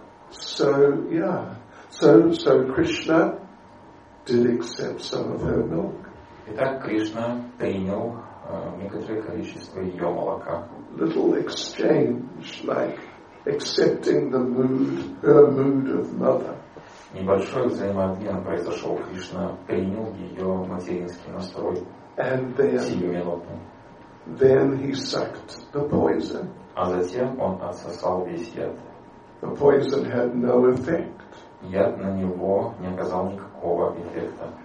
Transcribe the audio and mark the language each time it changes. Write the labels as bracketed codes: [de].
[en] So yeah. So Krishna did accept some of her milk. [ru] Итак, Кришна принял некоторое количество ее молока. [en] Little exchange, like accepting the mood, her mood of mother. [ru] Небольшой взаимообмен произошел. Кришна принял ее материнский настрой. [en] And then, he sucked the poison. [ru] А затем он отсосал весь яд. [en] The poison had no effect. [ru] Яд на него не оказал никакого эффекта.